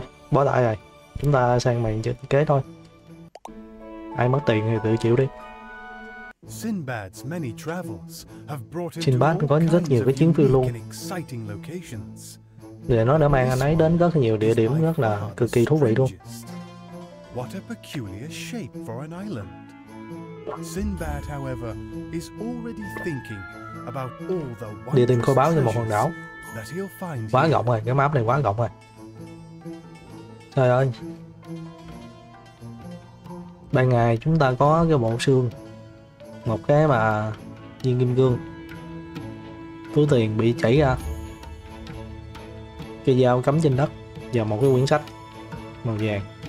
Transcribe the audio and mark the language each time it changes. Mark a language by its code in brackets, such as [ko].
[vi] Bỏ lại rồi, chúng ta sang màn chơi kế thôi. Ai mất tiền thì tự chịu đi. [en] Sinbad's many travels have brought him to all kinds of unique and exciting locations. Để nó đã mang anh ấy đến rất nhiều địa điểm rất là cực kỳ thú vị luôn. What a peculiar shape for an island. Sinbad, however, is already thinking about all the wonders. [vi] Đi tìm kho báu trên một hòn đảo. Quá rộng rồi, cái map này quá rộng rồi. Trời ơi, ban ngày chúng ta có cái bộ xương một cái mà viên kim cương túi tiền bị chảy ra, cây dao cắm trên đất và một cái quyển sách màu vàng.